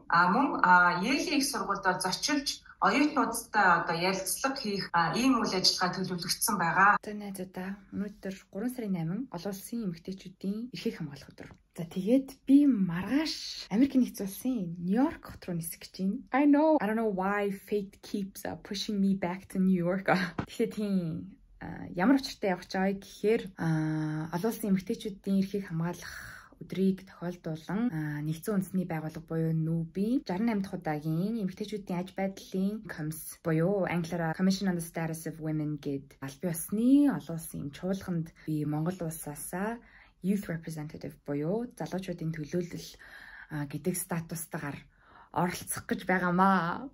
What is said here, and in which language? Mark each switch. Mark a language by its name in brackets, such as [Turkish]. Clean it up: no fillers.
[Mongolian] Мөн Yale-ийн их сургуульд бол зочилж оюутнуудтай одоо ярилцлага хийх ийм үйл ажиллагаа төлөвлөгдсөн байгаа. Тэ найзуудаа, өнөөдөр 3 сарын 8 олон улсын эмэгтэйчүүдийн эрхийг хамгаалах өдөр. За тэгээд би маргааш Америк нэгдсэн улсын Нью-Йорк хот руу нисэх гэж байна. [English] I don't know why fate keeps pushing me back to New York. [Mongolian] Тэгэхээр тийм ямар учиртай явах ч аа гэхээр олон улсын эмэгтэйчүүдийн эрхийг хамгаалах өдрийг тохиолдуулан нэгдсэн үндэсний байгууллага буюу NUBI 68 дахь удаагийн эмэгтэйчүүдийн аж байдлын комисс буюу англиараа Commission on the Status of Women гэдэг албан ёсны олон улсын чуулганд би Монгол улсаасаа [English] youth representative [Mongolian] буюу залуучуудын төлөөлөл гэдэг статустаар оролцох гэж байгаамаа.